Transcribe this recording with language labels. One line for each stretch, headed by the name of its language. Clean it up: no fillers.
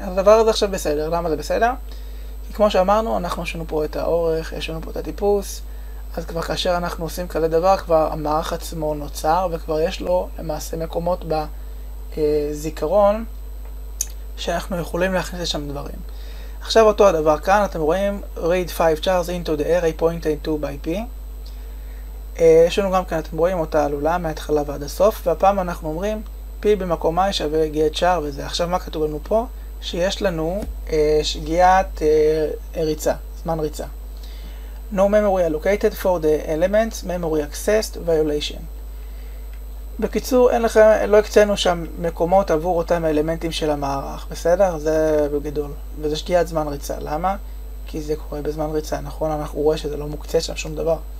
Hebrew: אז הדבר הזה עכשיו בסדר. למה זה בסדר? כי כמו שאמרנו, אנחנו יש לנו פה את האורך, יש לנו פה את הטיפוס, אז כבר כאשר אנחנו עושים כזה דבר, כבר המערך עצמו נוצר, וכבר יש לו למעשה מקומות בזיכרון, שאנחנו יכולים להכניס לשם דברים. עכשיו אותו הדבר כאן, אתם רואים,
English: read 5 chars into the array pointed to by P.
Hebrew: יש לנו גם כאן, אתם רואים אותה עלולה מההתחלה ועד הסוף, והפעם אנחנו אומרים, P במקום I שווה get char וזה. עכשיו מה כתוב לנו פה? שיש לנו שגיאת ריצה, זמן ריצה.
English: No memory allocated for the elements, memory accessed, violation.
Hebrew: בקיצור, אין לכם, לא הקצינו שם מקומות עבור אותם אלמנטים של המערך, בסדר? זה בגדול. וזה שגיאת זמן ריצה. למה? כי זה קורה בזמן ריצה, נכון? אנחנו רואים שזה לא מוקצה שם שום דבר.